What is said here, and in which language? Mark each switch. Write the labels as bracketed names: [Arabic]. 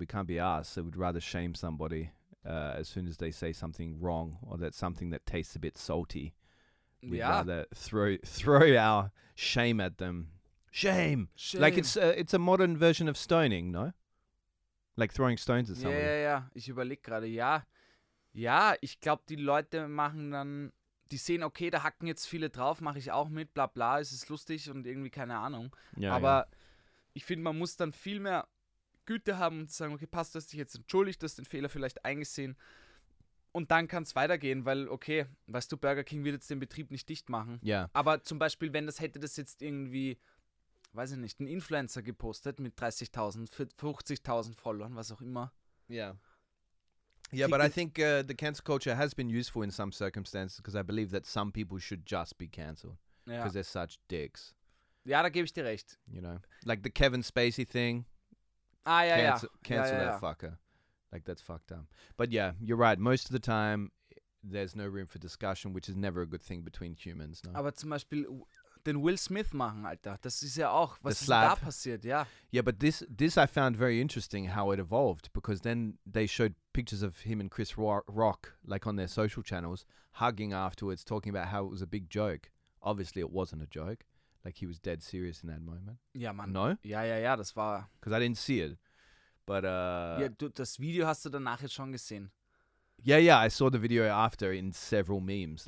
[English] We can't be asked. So we'd rather shame somebody as soon as they say something wrong or that something that tastes a bit salty. We'd rather throw our shame at them. Shame. Like it's a modern version of stoning, no? Like throwing stones at somebody. [German] Ja. Ich überlege gerade, ja. Ja, ich glaube, die Leute machen dann, die sehen, okay, da hacken jetzt viele drauf, mache ich auch mit, bla bla, es ist lustig und irgendwie keine Ahnung. Ja, aber ich finde, man muss dann viel mehr Güte haben und sagen, okay, passt, du hast dich jetzt entschuldigt, du hast den Fehler vielleicht eingesehen. Und dann kann es weitergehen, weil, okay, weißt du, Burger King wird jetzt den Betrieb nicht dicht machen. Ja. Aber zum Beispiel, wenn das hätte das jetzt irgendwie... weiß ich nicht, ein Influencer gepostet mit 30.000, 50.000 Followern, was auch immer. [English] Yeah. Yeah, but I think the cancel culture has been useful in some circumstances, because I believe that some people should just be cancelled. Because they're such dicks. [German] Ja, da gebe ich dir recht. [English] You know, like the Kevin Spacey thing. [German] Ah, ja, [English] Cancel that fucker. Like, that's fucked up. But yeah, you're right. Most of the time, there's no room for discussion, which is never a good thing between humans. No? [German] Aber zum Beispiel... den Will Smith machen, Alter. Das ist ja auch, was ist da passiert, ja. [English] Yeah, but this I found very interesting how it evolved, because then they showed pictures of him and Chris Rock, like on their social channels, hugging afterwards, talking about how it was a big joke. Obviously it wasn't a joke. Like, he was dead serious in that moment. [German] Ja, Mann. [English] No? [German] Ja, das war... [English] Because I didn't see it. But, [German] Ja, du, das Video hast du danach jetzt schon gesehen. [English] Yeah, I saw the video after in several memes.